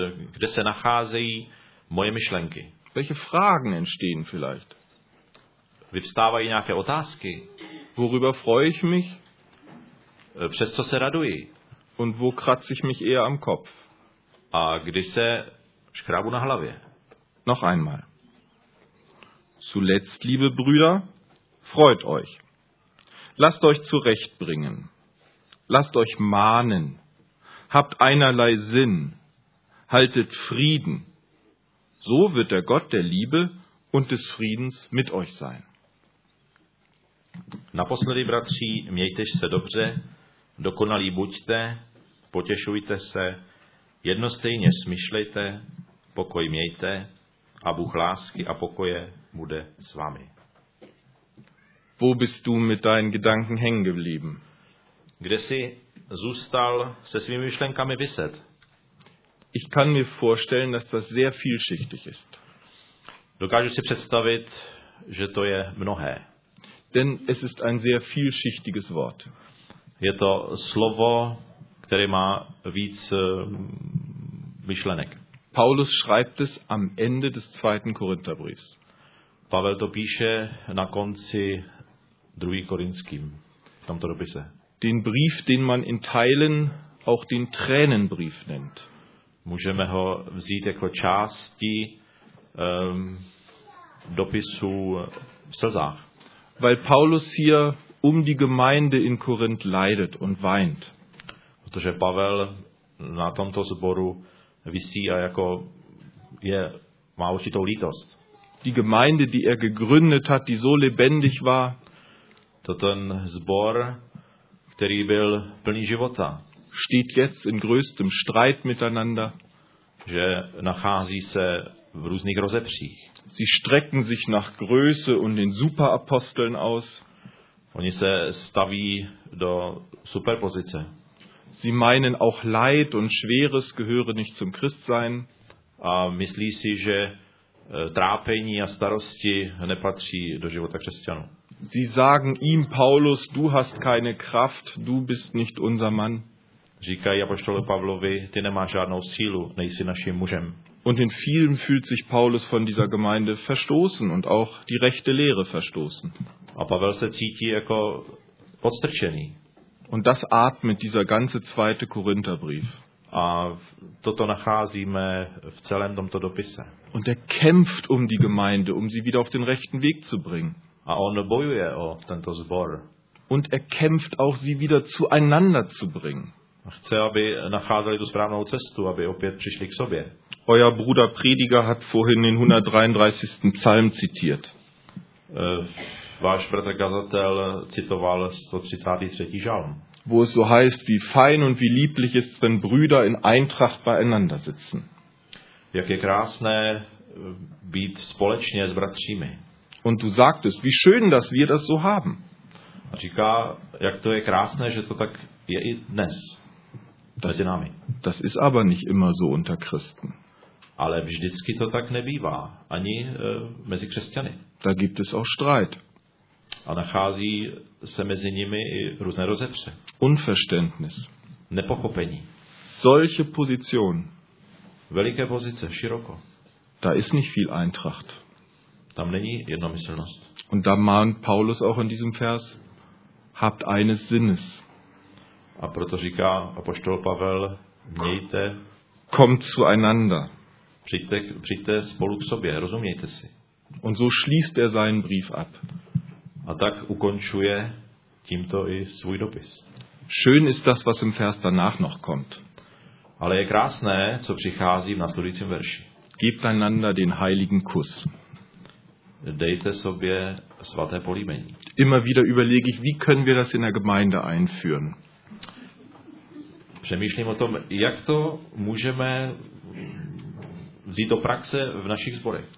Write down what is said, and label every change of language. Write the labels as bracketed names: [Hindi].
[Czech] Kde se nacházejí moje myšlenky? [German] Welche Fragen entstehen vielleicht? [Czech] Vyvstávají nějaké otázky? [German] Worüber freue ich mich? [Czech] Přes co se raduji? [German] Und wo kratze ich mich eher am Kopf? [Czech] A kdy se škrábu na hlavě? [German] Noch einmal. Zuletzt, liebe Brüder, freut euch. Lasst euch zurechtbringen. Lasst euch mahnen. Habt einerlei Sinn, haltet Frieden. So wird der Gott der Liebe und des Friedens mit euch sein. [Czech] Naposledy, bratři, mějtež se dobře, dokonalí buďte, potěšujte se, jednostejně smyšlejte, pokoj mějte a Bůh lásky a pokoje bude s vámi. [German] Wo bist du mit deinen Gedanken hängen geblieben? [Czech] Kde jsi zůstal se svými myšlenkami viset? [German] Ich kann mir vorstellen, dass das sehr vielschichtig ist. [Czech] Dokážu si představit, že to je mnohé. [German] Denn es ist ein sehr vielschichtiges Wort. [Czech] Je to slovo, které má víc myšlenek. [German] Paulus schreibt es am Ende des zweiten Korintherbriefs. [Czech] Pavel to píše na konci druhý korinským, v tomto dopise. [German] Den Brief, den man in Teilen auch den Tränenbrief nennt. [Czech] Můžeme ho vzít jako části dopisu v slzách. [German] Weil Paulus hier um die Gemeinde in Korinth leidet und weint. [Czech] Protože Pavel na tomto sboru visí a jako je, má určitou lítost. [German] Die Gemeinde, die er gegründet hat, die so lebendig war, [Czech] to ten sbor, který byl plný života, [German] steht jetzt in größtem Streit miteinander, [Czech] že nachází se v různých rozepřích. [German] Sie strecken sich nach Größe und den Superaposteln aus. [Czech] Oni se staví do superpozice. [German] Sie meinen auch Leid und Schweres gehöre nicht zum Christsein. [Czech] A myslí si, že trápení a starosti nepatří do života křesťanů. [German] Sie sagen ihm, Paulus, du hast keine Kraft, du bist nicht unser Mann. [Czech] Říkají apoštole Pavlovi, ty nemáš žádnou sílu, nejsi naším mužem. [German] Und in vielem fühlt sich Paulus von dieser Gemeinde verstoßen und auch die rechte Lehre verstoßen. [Czech] A Pavel se cítí jako odstrčený. [German] Und das atmet dieser ganze zweite Korintherbrief. [Czech] A toto nacházíme v celém tomto dopise. [German] Und er kämpft um die Gemeinde, um sie wieder auf den rechten Weg zu bringen. [Czech] A on bojuje o tento sbor. [German] Und er kämpft auch, sie wieder zueinander zu bringen. [Czech] Chce, aby nacházeli tu správnou cestu, aby opět přišli k sobě. [German] Euer Bruder Prediger hat vorhin den 133. Psalm zitiert. [Czech] Váš bratr kazatel citoval 133. žalm. [German] Wo es so heißt, wie fein und wie lieblich ist, wenn Brüder in Eintracht beieinander sitzen. [Czech] Jak je krásné být společně s bratřími. [German] Und du sagtest, wie schön, dass wir das so haben. [Czech] A říká, jak to je krásné, že to tak je i dnes. [German] Das ist aber nicht immer so unter Christen. [Czech] Ale vždycky to tak nebývá, ani mezi křesťany. [German] Da gibt es auch Streit. [Czech] A nachází se mezi nimi i různé rozepře. [German] Unverständnis. [Czech] Nepochopení. [German] Solche Position. [Czech] Veliké pozice, široko. [German] Da ist nicht viel Eintracht. [Czech] Tam není jednomyslnost. [German] Und da mahnt Paulus auch in diesem Vers, habt eines Sinnes. [Czech] A proto říká apoštol Pavel, mějte. [German] Kommt zueinander. [Czech] Přijďte spolu k sobě, rozumějte si. [German] Und so schließt er seinen Brief ab. [Czech] A tak ukončuje tímto i svůj dopis. [German] Schön ist das, was im Vers danach noch kommt. [Czech] Ale je krásné, co přichází v následujícím verši. [German] Gebt einander den heiligen Kuss. [Czech] Dejte sobě svaté políbení. [German] Immer wieder überlege ich, wie können wir das in der Gemeinde einführen. [Czech] Přemýšlím o tom, jak to můžeme vzít do praxe v našich zborech.